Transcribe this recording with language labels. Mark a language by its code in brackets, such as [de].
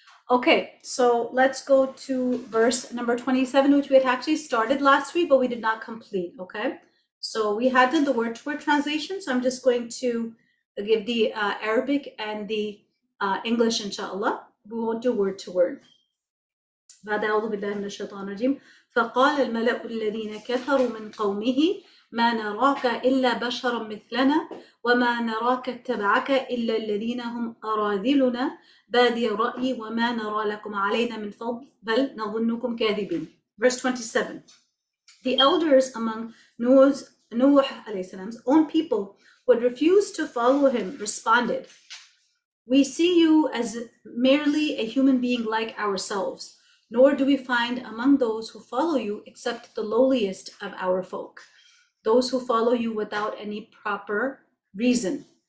[en] Okay, so let's go to verse number 27, which we had actually started last week, but we did not complete, okay? So we had done the word-to-word translation, so I'm just going to give the Arabic and the English, inshallah. We won't do word-to-word. [ar] بعد أعوذ بالله من الشيطان الرجيم فقال الملأ الذين كفروا من قومه ما نراك إلا بشرا مثلنا وما نراك اتبعك إلا الذين هم أراذلنا بادي رأي وما نرى لكم علينا من فضل بل نظنكم كاذبين. [en] Verse 27. The elders among Nuh عليه السلام's own people who had refused to follow him responded, "We see you as merely a human being like ourselves, nor do we find among those who follow you except the lowliest of our folk, those who follow you without any proper reason.